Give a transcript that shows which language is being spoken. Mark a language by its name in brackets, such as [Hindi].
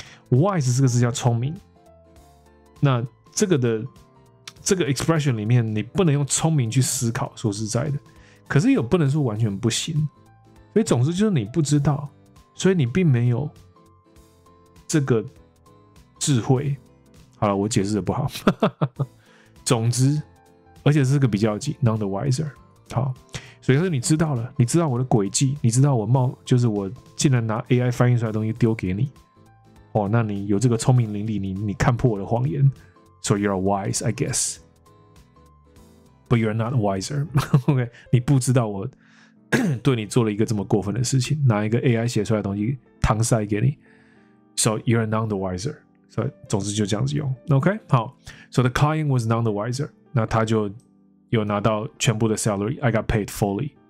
[Chinese] wise 这个字叫聪明，那这个 expression 里面你不能用聪明去思考，说实在的，可是也不能说完全不行，所以总之就是你不知道，所以你并没有这个智慧。好了，我解释的不好。总之，而且这是个比较级 ，none the wiser。好，所以说你知道了，你知道我的诡计，你知道就是我竟然拿 AI 翻译出来的东西丢给你。哦，那你有这个聪明伶俐，你看破我的谎言。 [English] So you're wise, I guess, but you're not wiser. [Chinese] OK， 你不知道我对你做了一个这么过分的事情，拿一个 AI 写出来的东西搪塞给你。 [English] So you're none the wiser. So [Chinese] 总之就这样子用。 [English] OK， 好。 So the client was none the wiser. [Chinese] 那他就有拿到全部的 [English] salary. I got paid fully.